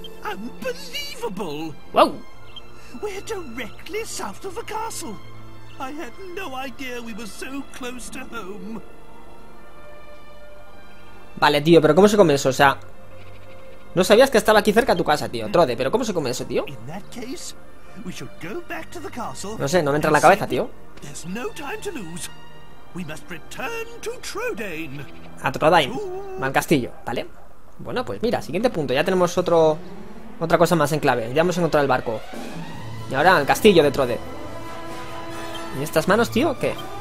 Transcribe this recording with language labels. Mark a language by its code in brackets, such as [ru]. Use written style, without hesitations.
[en] Unbelievable. Wow. We're directly south of the castle. I had no idea we were so close to home. [es] Vale, tío, pero ¿cómo se come eso? O sea, no sabías que estaba aquí cerca de tu casa, tío. Trode, pero ¿cómo se come eso, tío? [en] In that case, we should go back to the castle. [es] No sé, no me entra en la cabeza, tío. [en] There's no time to lose. We must return to Trodane. [es] A Trodane, al castillo, ¿vale? Bueno, pues mira, siguiente punto. Ya tenemos otra cosa más en clave. Ya hemos encontrado el barco. Y ahora al castillo de Trode. ¿Y estas manos, tío? ¿Qué?